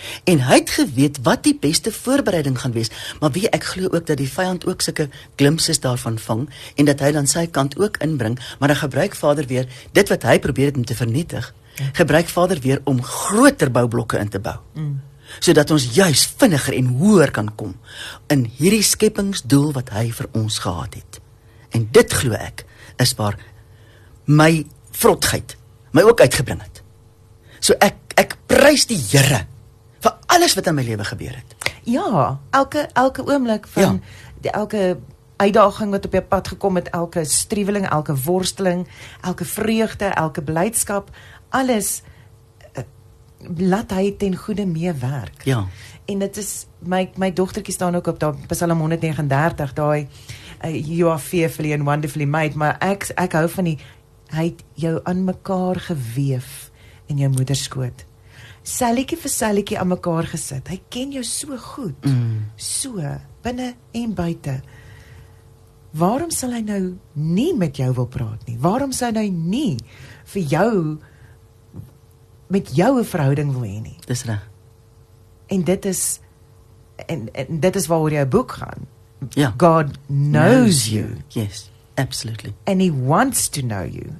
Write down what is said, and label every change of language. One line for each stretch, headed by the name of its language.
Afrikaans: En hy het geweet wat die beste voorbereiding gaan wees. Maar weet ek glo ook dat die vyand ook sulke glimpses daarvan vang en dat hy dan sy kant ook inbring, maar dan gebruik Vader weer dit wat hy probeer het om te vernietig, gebruik Vader weer om groter boublokke in te bou. Sodat ons juist vinniger en hoër kan kom in hierdie skepingsdoel wat hy vir ons gehad het. En dit glo ek is waar my vrotgheid my ook uitgebring het. So ek prys die Here vir alles wat in my lewe gebeur het. Ja, elke oomblik van ja. Die elke uitdaging wat op jou pad gekom het, elke struweling, elke worsteling, elke vreugde, elke blydskap, alles laat hy ten goede mee werk. Ja. En dit is my dogtertjie staan ook op daar Psalm 139, daai
English: you are fearfully and wonderfully made,
Afrikaans: maar ek hou van die hy het jou aan mekaar geweef in jou moeder skoot. Selletjie vir selletjie aan mekaar gesit. Hy ken jou so goed. So, binne en buite. Waarom sal hy nou nie met jou wil praat nie? Waarom sal hy nie vir jou met jou 'n verhouding wil hê nie? Dis reg. En dit is en dit is waaroor jou boek gaan. Ja.
English: God knows you. Yes, absolutely. And he wants to know you.